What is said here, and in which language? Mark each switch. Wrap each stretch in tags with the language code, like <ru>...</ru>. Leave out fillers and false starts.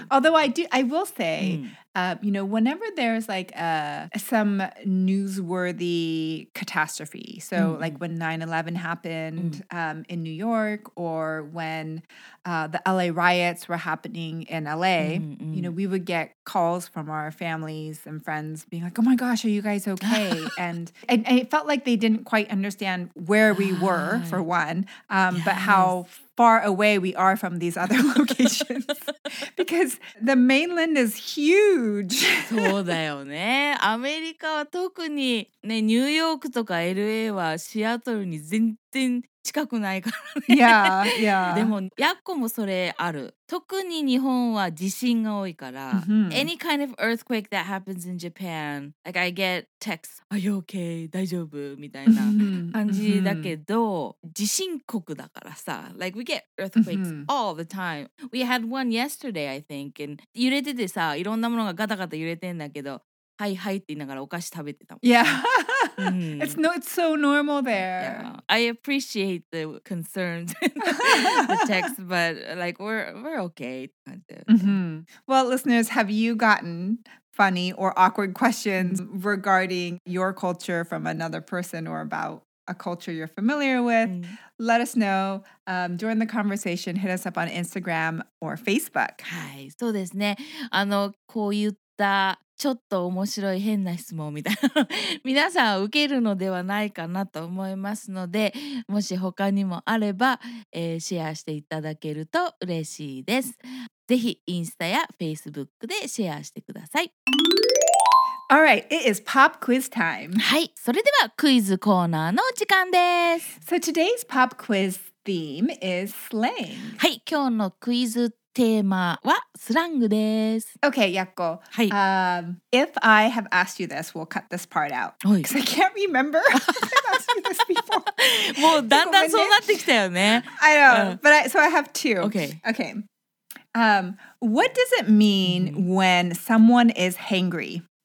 <en>Although I will say, you know, whenever there's like some newsworthy catastrophe, so like when 9/11 happened in New York, or when the LA riots were happening in LA, you know, we would get calls from our families and friends being like, oh my gosh, are you guys okay? and it felt like they didn't quite understand where we were, for one, but how far away we are from these other locations. Because the mainland is huge.</en> <ja>そうだよね。アメリカは特にね、ニューヨークとか LA はシアトルに全然近くないからね。</ja> <en>Yeah, yeah.</en> <ja>でも、ヤッコもそれある。特に日本は地震が多いから。 Mm-hmm.</ja> <en>Any kind of earthquake that happens in Japan, like I get texts, are you okay?</en> <ja>大丈夫? みたいな感じだけど、地震国だからさ。</ja> <en>Like we get earthquakes all the time. We had one yesterday, I think.</en> <ja>And 揺れててさ、いろんなものがガタガタ揺れてんだけど、はいはいって言いながらお菓子食べてたもん。</ja> <en>Yeah. It's no, it's so normal there. Yeah. I appreciate the concerns, the text, but like we're okay. Well, listeners, have you gotten funny or awkward questions regarding your culture from another person or about a culture you're familiar with? Let us know. During the conversation, hit us up on Instagram or Facebook.</en> <ja>はい、そうですね。あの、こういったちょっと面白い変な質問みたいな皆さん受けるのではないかなと思いますので、もし他にもあれば、シェアしていただけると嬉しいです。ぜひインスタやフェイスブックでシェアしてください。</ja> <en>All right, it is pop quiz time.</en> <ja>はい、それではクイズコーナーの時間です。</ja> <en>So today's pop quiz theme is slang.</en> <ja>はい、今日のクイズテーマはスラングです。</ja> <en>Okay, Yakko.</en> <ja>はい。</ja> <en>If I have asked you this, we'll cut this part out.</en> <ja>はい。</ja> <en>Because I can't remember if I've asked you this before.</en> <ja>もうだんだんそうなってきたよね。</ja> <en>I know. But so I have two. Okay. Okay. What does it mean when someone is hangry?</en>